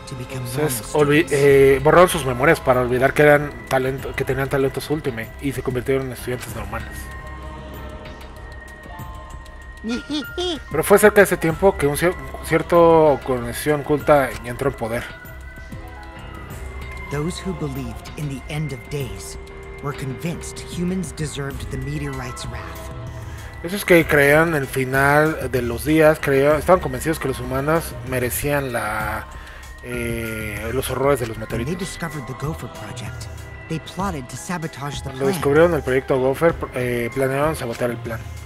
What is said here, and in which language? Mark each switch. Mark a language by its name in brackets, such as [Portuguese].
[Spanish] Entonces, borraron sus memorias para olvidar que eran que tenían talentos Ultimate y se convirtieron en estudiantes normales. Pero fue cerca de ese tiempo que cierta conexión oculta entró en poder. [English] Those who believed in the end of days were convinced humans deserved the meteorite's wrath. [Spanish] Esos que creían en el final de los días estaban convencidos que los humanos merecían los horrores de los meteoritos. Cuando descubrieron el proyecto Gopher, planearon sabotear el plan.